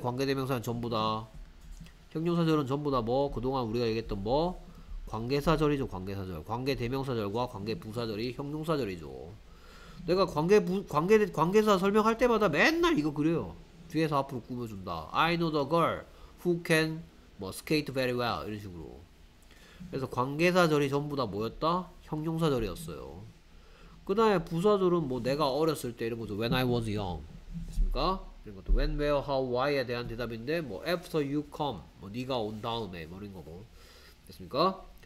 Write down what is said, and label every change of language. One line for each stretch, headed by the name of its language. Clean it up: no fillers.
Korean: 관계대명사는 전부 다 형용사절은 전부 다 뭐, 그동안 우리가 얘기했던 뭐, 관계사절이죠, 관계사절. 관계대명사절과 관계부사절이 형용사절이죠. 내가 관계사 설명할 때마다 맨날 이거 그려요. 뒤에서 앞으로 꾸며준다.
English: I know the girl who can
Korean: 뭐,
English: skate very well.
Korean: 이런 식으로. 그래서 관계사절이 전부 다 뭐였다? 형용사절이었어요. 그 다음에 부사절은 뭐, 내가 어렸을 때 이런 거죠.
English: When I was young.
Korean: 됐습니까? 이것도 when, where, how, why에 대한 대답인데 뭐
English: after you come
Korean: 뭐 네가 온 다음에 뭐 이런 거고 됐습니까?